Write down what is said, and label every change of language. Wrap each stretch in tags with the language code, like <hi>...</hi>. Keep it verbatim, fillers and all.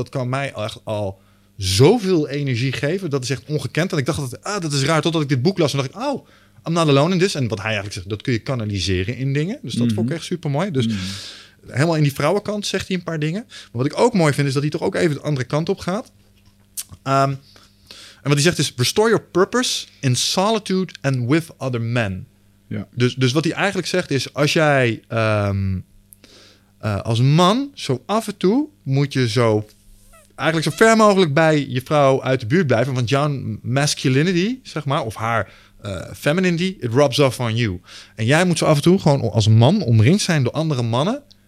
<nl>Dat kan mij echt al zoveel energie geven. Dat is echt ongekend. En ik dacht, dat, ah, dat is raar. Totdat ik dit boek las en dacht ik, oh,</nl> <en>I'm not alone in this.</en> <nl>En wat hij eigenlijk zegt, dat kun je kanaliseren in dingen. Dus dat mm. vond ik echt super mooi. Dus... Mm. Helemaal in die vrouwenkant zegt hij een paar dingen. Maar wat ik ook mooi vind, is dat hij toch ook even de andere kant op gaat. Um, en wat hij zegt is...</nl> <en>Restore your purpose in solitude and with other men.</en> <nl>Ja. Dus, dus wat hij eigenlijk zegt is... Als jij um, uh, als man zo af en toe... moet je zo... eigenlijk zo ver mogelijk bij je vrouw uit de buurt blijven. Want jouw masculinity, zeg maar... of haar... Uh,</nl> <en>femininity, it rubs off on you.</en> <nl>En jij moet zo af en toe gewoon als man omringd zijn door andere mannen</nl>